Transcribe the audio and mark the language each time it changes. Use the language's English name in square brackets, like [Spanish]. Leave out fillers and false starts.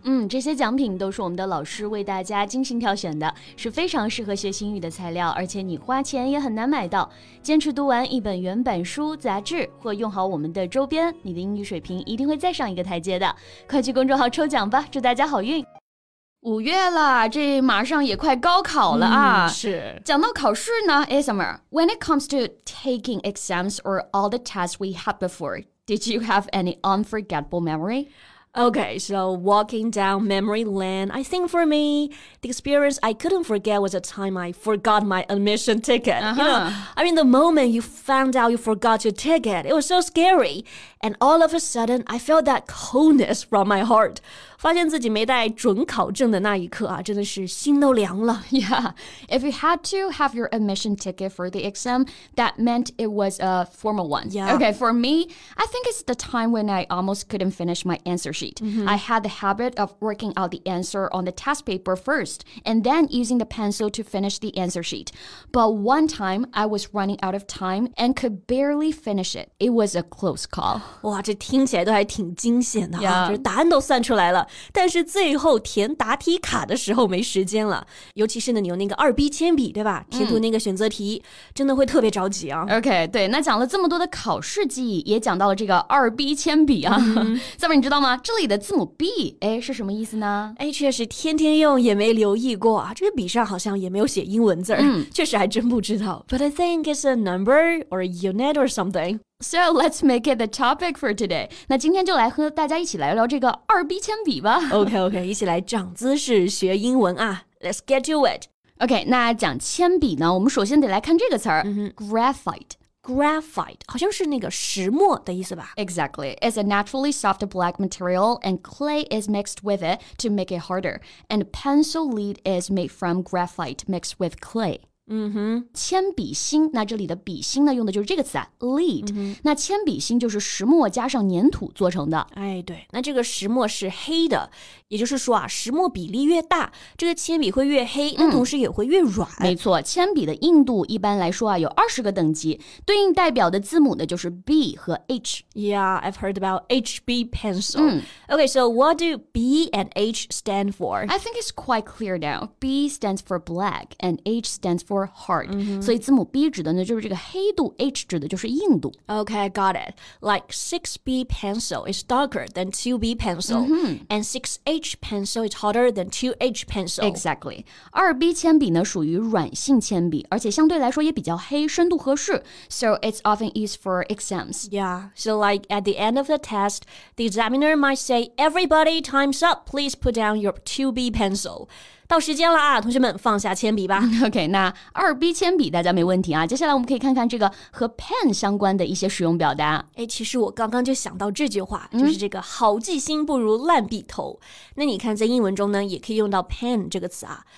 [Chinese] 嗯，这些奖品都是我们的老师为大家精心挑选的，是非常适合学英语的材料，而且你花钱也很难买到。坚持读完一本原版书、杂志或用好我们的周边，你的英语水平一定会再上一个台阶的。快去公众号抽奖吧，祝大家好运。五月了，这马上也快高考了啊。嗯，是。讲到考试呢，哎 [English] Summer, when it comes to taking exams or all the tests we had before, did you have any unforgettable memory? Okay, so walking down memory lane, I think for me, the experience I couldn't forget was the time I forgot my admission ticket. Uh-huh. You know, I mean, the moment you found out you forgot your ticket, it was so scary. And all of a sudden, I felt that coldness from my heart. [Chinese] 发现自己没带准考证的那一刻啊，真的是心都凉了。 [English] Yeah, if you had to have your admission ticket for the exam, that meant it was a formal one. Yeah. Okay, for me, I think it's the time when I almost couldn't finish my answer. Sheet. Mm-hmm. I had the habit of working out the answer on the test paper first and then using the pencil to finish the answer sheet. But one time, I was running out of time and could barely finish it. It was a close call. [Chinese] 哇，这听起来都还挺惊险的， [English] yeah. [Chinese] 就是答案都算出来了，但是最后填答题卡的时候没时间了。尤其是呢，你用那个 2B 铅笔，对吧？填涂那个选择题，真的会特别着急啊。 OK, 对，那讲了这么多的考试记忆，也讲到了这个 2B 铅笔啊。下面你知道吗？这里的字母 B 是什么意思呢？确实天天用也没留意过啊，这个笔上好像也没有写英文字，确实还真不知道。 [English] But I think it's a number or a unit or something. So let's make it the topic for today. [Chinese] 那今天就来和大家一起来聊这个 2B 铅笔吧。 OK, 一起来长姿势学英文啊。 [English] Let's get to it. [Chinese] OK, 那讲铅笔呢，我们首先得来看这个词儿、Graphite Graphite, 好像是那个石墨的意思吧。 [English] Exactly. It's a naturally soft black material, and clay is mixed with it to make it harder. And pencil lead is made from graphite mixed with clay. [Chinese] 嗯哼，铅笔芯，那这里的笔芯呢，用的就是这个词啊 ,lead.、那铅笔芯就是石墨加上粘土做成的。对，那这个石墨是黑的，也就是说啊，石墨比例越大，这个铅笔会越黑，那同时也会越软。没错，铅笔的硬度一般来说啊，有20个等级，对应代表的字母呢就是 B 和 H。 [English] Yeah, I've heard about HB pencil.、 Okay, so what do B and H stand for? I think it's quite clear now. B stands for black, and H stands for hard.、 [Chinese] 所以字母 B 指的呢就是这个黑度， H 指的就是硬度。 [English] Okay, got it. Like 6B pencil is darker than 2B pencil,、and 6H pencil is harder than 2H pencil. Exactly. [Chinese] 2B 铅笔呢属于软性铅笔，而且相对来说也比较黑，深度合适。 [English] So it's often used for exams. Yeah, so like at the end of the test, the examiner might say, everybody, time's up, please put down your 2B pencil. [Chinese] 到时间了啊，同学们放下铅笔吧。 OK, 那 2B 铅笔大家没问题啊，接下来我们可以看看这个和 pen 相关的一些使用表达。其实我刚刚就想到这句话，就是这个好记性不如烂笔头。那你看在英文中呢也可以用到 pen 这个词啊。